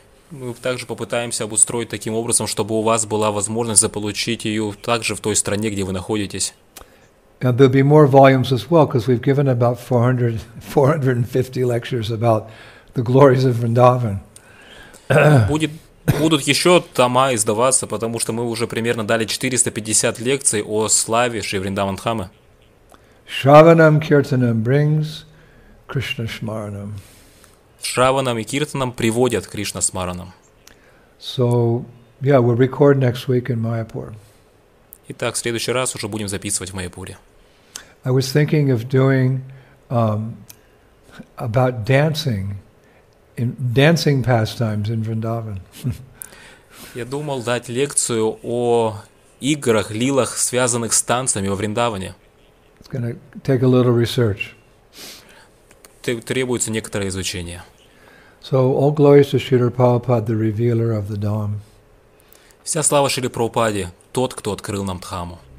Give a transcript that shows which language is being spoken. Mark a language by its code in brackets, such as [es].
[ru] Мы также попытаемся обустроить таким образом, чтобы у вас была возможность заполучить ее также в той стране, где вы находитесь. [en] And there'll be more volumes as well, because we've given about 450 lectures about the glories of Vrindavan. [ru] Будут еще тома издаваться, потому что мы уже примерно дали 450 лекций о славе Шри Вриндаван Дхамы. [sa] Шраванам киртанам [en] brings [sa] Кришна шмаранам. [ru] Шраванам и киртанам приводят Кришна смаранам. [en] So, yeah, we'll record next week in Mayapur. [ru] Итак, в следующий раз уже будем записывать в Майяпуре. [en] I was thinking of doing about dancing. In dancing pastimes in Vrindavan. [ru] Я думал дать лекцию о играх, лилах, связанных с танцами во Вриндаване. [en] It's going to take a little research. [ru] Требуется некоторое изучение. [en] So all glories to Shri Prabhupada, the revealer of the Dham. [ru] Вся слава Шри Прабхупаде, тот, кто открыл нам Дхаму.